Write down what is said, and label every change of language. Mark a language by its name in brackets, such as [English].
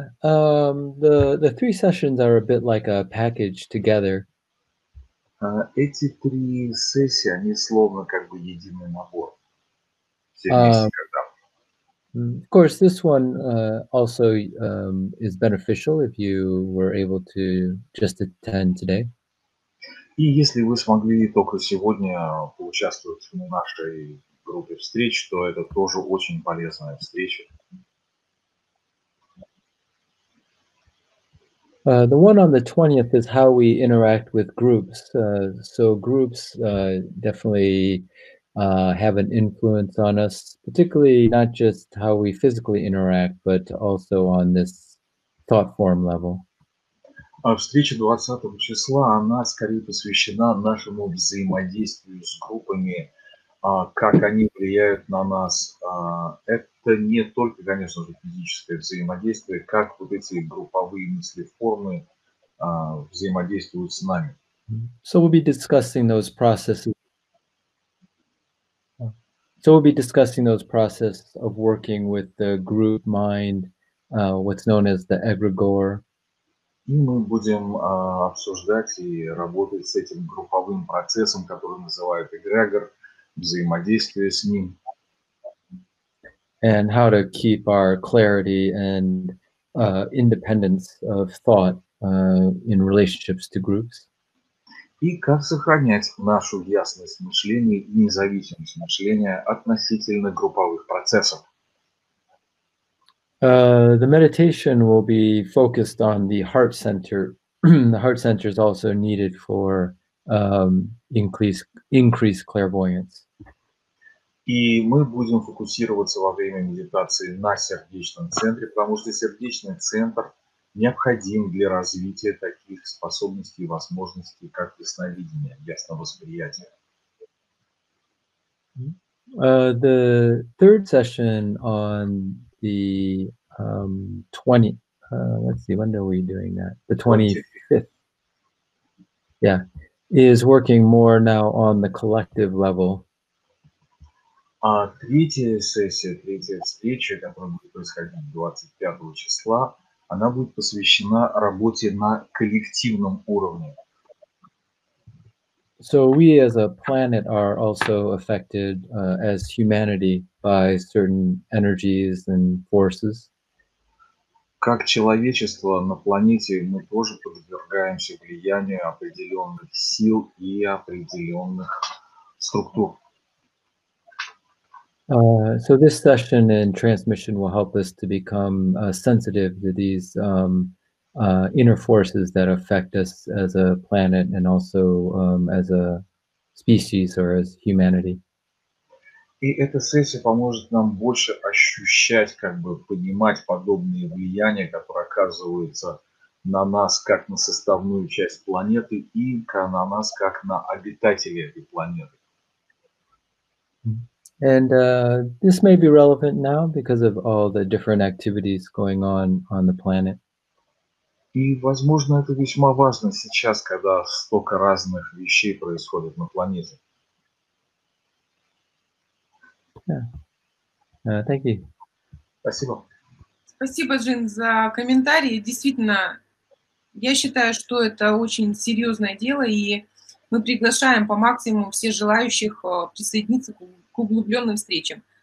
[English] The three sessions are a bit like a package together. [Russian] Эти три сессии, они словно как бы единый набор. [English] Of course, this one also is beneficial if you were able to just attend today. [Russian] И если вы смогли только сегодня поучаствовать в нашей группе встреч, то это тоже очень полезная встреча. [English] The one on the 20th is how we interact with groups. So groups definitely have an influence on us, particularly not just how we physically interact, but also on this thought form level. [Russian] Встреча 20 числа, она скорее посвящена нашему взаимодействию с группами, как они влияют на нас. Это не только, конечно же, физическое взаимодействие, как вот эти групповые мыслеформы взаимодействуют с нами. [English] So we'll be discussing those processes. So we'll be discussing those processes of working with the group mind, what's known as the egregore. [Russian] И мы будем обсуждать и работать с этим групповым процессом, который называют эгрегор, взаимодействие с ним. [English] And how to keep our clarity and independence of thought in relationships to groups. [Russian] И как сохранять нашу ясность мышления и независимость мышления относительно групповых процессов. [English] The meditation will be focused on the heart center. The heart center is also needed for increased clairvoyance. [Russian] И мы будем фокусироваться во время медитации на сердечном центре, потому что сердечный центр необходим для развития таких способностей и возможностей, как ясновидение, ясновосприятие. [English] The third session on the 25th, yeah, is working more now on the collective level. [Russian] Третья встреча, которая будет происходить 25 числа, она будет посвящена работе на коллективном уровне. [English] So we as a planet are also affected as humanity by certain energies and forces. [Russian] Как человечество на планете, мы тоже подвергаемся влиянию определенных сил и определенных структур. [English] So this session and transmission will help us to become sensitive to these inner forces that affect us as a planet and also as a species or as humanity. [Russian] И эта сессия поможет нам больше ощущать, как бы понимать подобные влияния, которые оказываются на нас как на составную часть планеты и на нас как на обитателей этой планеты. [English] And this may be relevant now because of all the different activities going on the planet. [Russian] И, возможно, это весьма важно сейчас, когда столько разных вещей происходит на планете. [English] Yeah. Thank you. [Russian] Спасибо. Спасибо, Джин, за комментарии. Действительно, я считаю, что это очень серьезное дело, и мы приглашаем по максимуму все желающих присоединиться к углубленным встречам.